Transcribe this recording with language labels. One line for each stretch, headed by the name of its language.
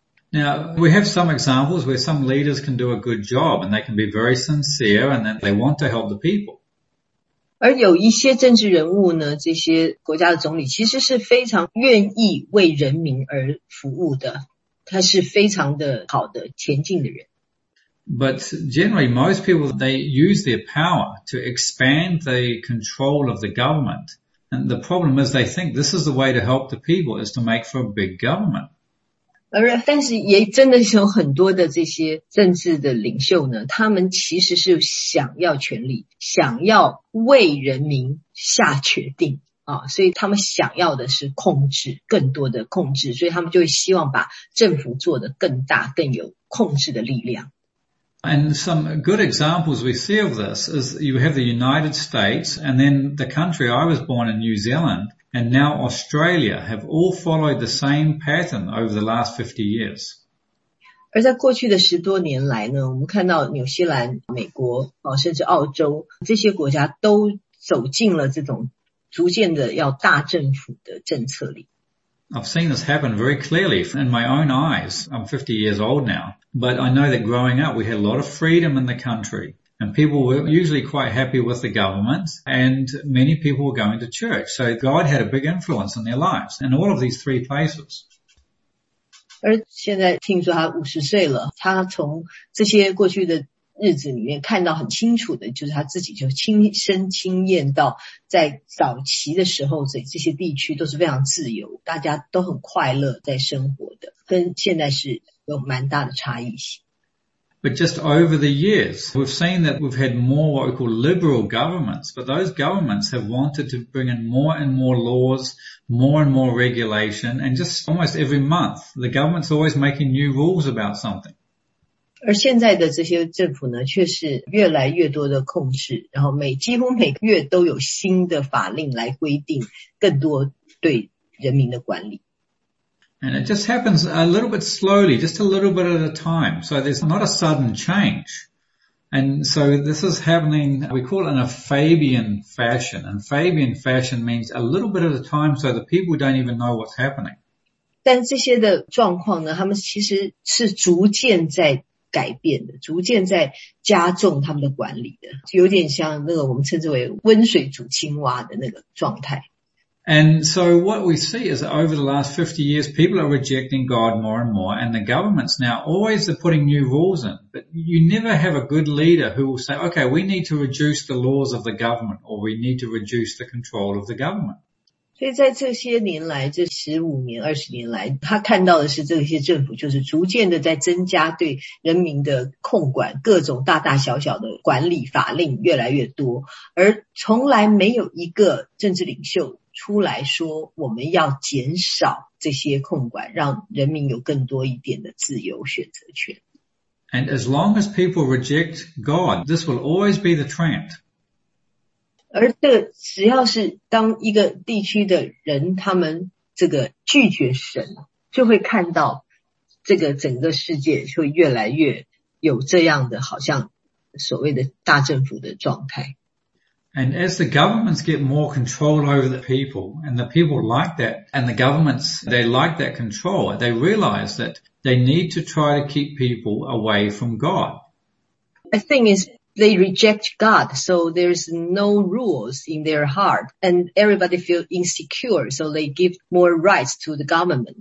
English: Now, we have some examples where some leaders can do a good job and they can be very sincere and then they want to help the people.
Chinese: 而有一些政治人物呢，这些国家的总理其实是非常愿意为人民而服务的，他是非常的好的前进的人。
English: But generally, most people, they use their power to expand the control of the government. And the problem is they think this is the way to help the people is to make for a big government.
Chinese: 而但是也真的是有很多的这些政治的领袖呢，他们其实是想要权力，想要为人民下决定啊，所以他们想要的是控制，更多的控制，所以他们就希望把政府做得更大，更有控制的力量。
English: And some good examples we see of this is you have the United States and then the country I was born in, New Zealand. And now Australia have all followed the same pattern over the last 50 years.
Chinese: 而在过去的十多年来呢，我们看到纽西兰、美国、甚至澳洲，这些国家都走进了这种逐渐的要大政府的政策里。
English: I've seen this happen very clearly in my own eyes. I'm 50 years old now, but I know that growing up we had a lot of freedom in the country. And people were usually quite happy with the government, and many people were going to church. So God had a big influence in their lives in all of these three places.
Chinese: 而现在听说他50岁了，他从这些过去的日子里面看到很清楚的，就是他自己就亲身亲验到，在早期的时候，这些地区都是非常自由，大家都很快乐在生活的，跟现在是有蛮大的差异性。
English: But just over the years, we've seen that we've had more what we call liberal governments, but those governments have wanted to bring in more and more laws, more and more regulation, and just almost every month, the government's always making new rules about something.
Chinese: 而现在的这些政府呢，却是越来越多的控制，然后几乎每个月都有新的法令来规定更多对人民的管理。
English: And it just happens a little bit slowly, just a little bit at a time. So there's not a sudden change. And so this is happening, we call it in a Fabian fashion. And Fabian fashion means a little bit at a time so the people don't even know what's happening.
Chinese: 但这些的状况呢，他们其实是逐渐在改变的，逐渐在加重他们的管理的，有点像那个我们称之为温水煮青蛙的那个状态。
English: And so what we see is that over the last 50 years, people are rejecting God more and more, and the governments now always are putting new rules in. But you never have a good leader who will say, okay, we need to reduce the laws of the government, or we need to reduce the control of the government.
Chinese: 所以在这些年来，这15年、20年来，他看到的是这些政府就是逐渐的在增加对人民的控管，各种大大小小的管理法令越来越多，而从来没有一个政治领袖出来说我们要减少这些控管，让人民有更多一点的自由选择权。
English: And as long as people reject God, this will always be the trend.
Chinese: 而这只要是当一个地区的人他们这个拒绝神，就会看到这个整个世界就越来越有这样的好像所谓的大政府的状态。
English: And as the governments get more control over the people, and the people like that, and the governments, they like that control, they realize that they need to try to keep people away from God. The thing is, they reject God, so there's no rules in their heart, and everybody feels insecure, so they give more rights to the government.